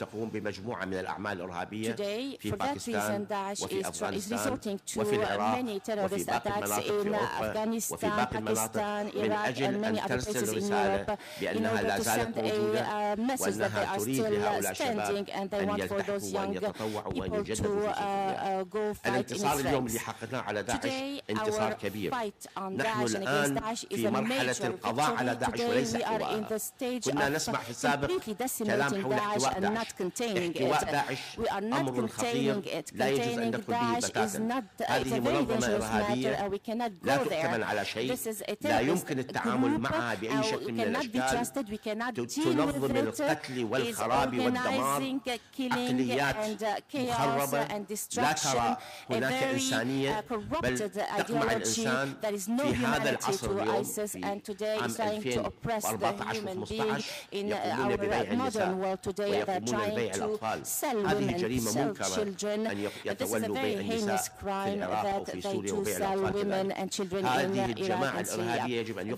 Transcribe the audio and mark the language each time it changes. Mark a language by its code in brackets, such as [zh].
[en] Today, for that reason, Daesh is resorting to many terrorist attacks in Afghanistan, Pakistan, Iraq, and many other places in Europe, in order to send a message that they are still standing, and they want for those young people to go for [ar] الانتصار اليوم اللي حققناه على داعش انتصار كبير. نحن الآن في مرحلة القضاء على داعش وليس احتوائها. كنا نسمع في السابق كلام حول احتواء داعش. احتواء داعش أمر خطير لا يجوز أن نقبل به بتاتا. هذه منظمة إرهابية لا تؤتمن على شيء. لا يمكن التعامل معها بأي شكل من الأشكال. تنظم القتل والخراب والدمار، عقليات مخربة لا ترى [en] a very corrupted ideology that is no humanity to ISIS, and today is trying to oppress the human being in our modern world. Today they are trying to sell women, sell children. This is a very heinous crime that they do sell women and children in Iraq and Syria.